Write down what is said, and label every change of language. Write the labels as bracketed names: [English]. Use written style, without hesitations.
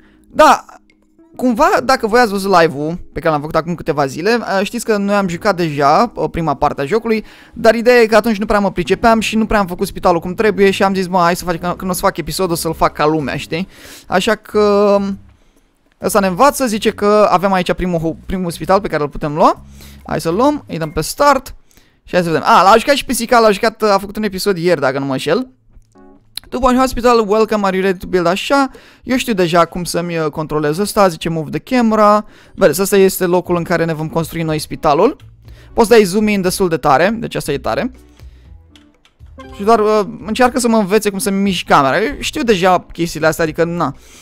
[Romanian] Da, cumva, dacă voi ați văzut live-ul pe care l-am făcut acum câteva zile, știți că noi am jucat deja prima parte a jocului, dar ideea e că atunci nu prea mă pricepeam și nu prea am făcut spitalul cum trebuie și am zis, mă, hai să fac, când o să fac episodul, o să-l fac ca lumea, știi? Așa că ăsta ne învață, zice că avem aici primul spital pe care îl putem lua. Hai să-l luăm, îi dăm pe start și hai să vedem. L-a jucat și pisica, a făcut un episod ieri, dacă nu mă înșel. După un [English] hospital, welcome, are you ready to build? [Romanian] Așa, eu știu deja cum să-mi controlez ăsta, zice move the camera. Vedeți, ăsta este locul în care ne vom construi noi spitalul. Poți dai zoom in destul de tare, deci asta e tare. Și doar încearcă să mă învețe cum să-mi mișc camera. Eu știu deja chestiile astea, adică na.